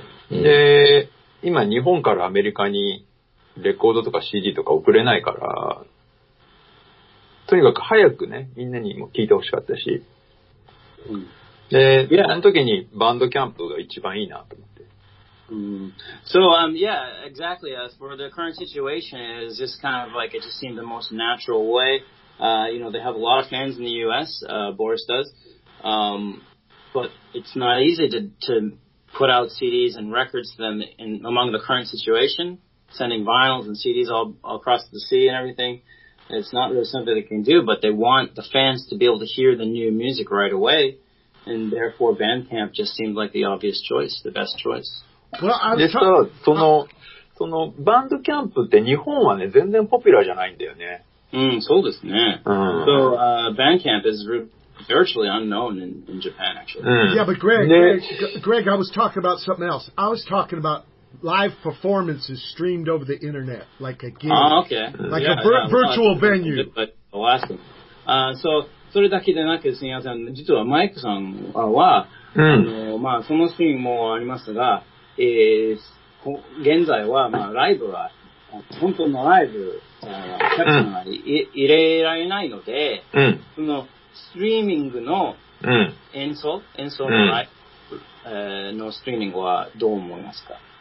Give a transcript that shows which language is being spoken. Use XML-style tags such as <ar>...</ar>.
<ja>で、今日本からアメリカにレコードとか CD とか送れないから、とにかく早くね、みんなにも聞いてほしかったし。で、あの時にバンドキャンプが一番いいなと思って。</ja> <en>So, yeah, exactly. As for the current situation, it's just kind of like it just seemed the most natural way. You know, they have a lot of fans in the US, Boris does. But it's not easy to put out CDs and records to them in, among the current situation, sending vinyls and CDs all across the sea and everything. It's not really something they can do, but they want the fans to be able to hear the new music right away, and therefore Bandcamp just seemed like the obvious choice, the best choice.</en> <ja>でさ、そのバンドキャンプって日本はね、全然ポピュラーじゃないんだよね。そうですね。</ja> <en>So, Bandcamp is virtually unknown in Japan, actually. Yeah, but Greg, I was talking about something else. I was talking about live performances streamed over the internet, like a gig. Like virtual venue. But the last one.</en> <ja>So, それだけでなく、すみません、実はマイクさんは、まあ、そのシーンもありますが、現在は、まあ、ライブは、本当のライブ、客さんは入れられないので、その、ストリーミングの演奏のライブ、のストリーミングはどう思いますか？</ja>